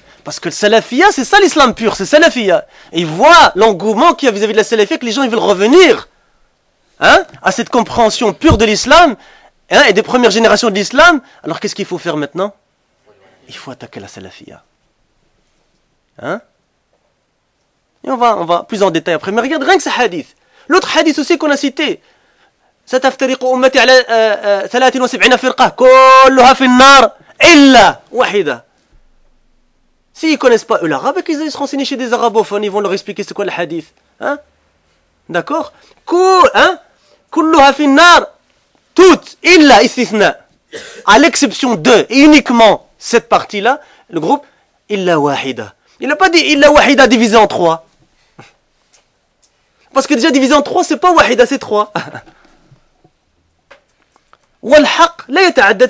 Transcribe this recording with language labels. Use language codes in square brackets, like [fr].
[fr] Parce que le salafia, c'est ça l'islam pur, c'est salafia. Et ils voient l'engouement qu'il y a vis-à-vis de la salafia, que les gens ils veulent revenir à cette compréhension pure de l'islam et des premières générations de l'islam. Alors, qu'est-ce qu'il faut faire maintenant ? Il faut attaquer la salafia. Et on va plus en détail après. Mais regarde rien que ce hadith. L'autre hadith aussi qu'on a cité. [ar] ستفترق أمتي على 73 فرقة كلها في النار إلا واحدة. [fr] Si ils connaissent pas eux l'arabe, qu'ils aillent se renseigner chez des arabophones, ils vont leur expliquer c'est quoi le hadith. D'accord ? [ar] كلها في النار. [fr] Toutes, [ar] إلا استثناء. [fr] À l'exception de, et uniquement cette partie-là, le groupe, [ar] إلا واحدة. [fr] Il n'a pas dit [ar] إلا واحدة [fr] divisé en 3. Parce que déjà divisé en 3, c'est pas واحدة, c'est 3. [ar] والحق لا يتعدد.